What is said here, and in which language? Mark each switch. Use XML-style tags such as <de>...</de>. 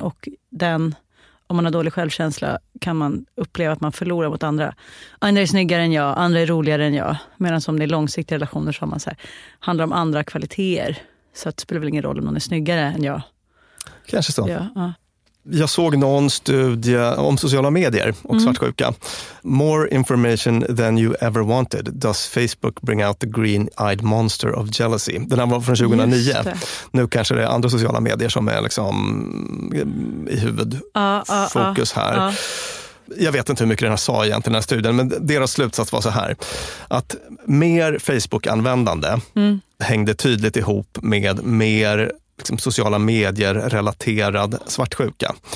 <sv>Och den, om man har dålig självkänsla, kan man uppleva att man förlorar mot andra. Andra är snyggare än jag, andra är roligare än jag. Medan om det är långsiktiga relationer så har man så här, handlar om andra kvaliteter. Så att det spelar väl ingen roll om någon är snyggare än jag. Kanske så. Ja. Jag såg någon studie om sociala medier och svartsjuka.</sv> <en>More information than you ever wanted. Does Facebook bring out the green-eyed monster of jealousy?</en> <sv>Den här var från 2009. Nu kanske det är andra sociala medier som är liksom i huvudfokus här. Jag vet inte hur mycket den här sa egentligen i den här studien, men deras slutsats var så här. Att mer Facebook-användande hängde tydligt ihop med mer liksom sociala medier relaterad svartsjuka.</sv>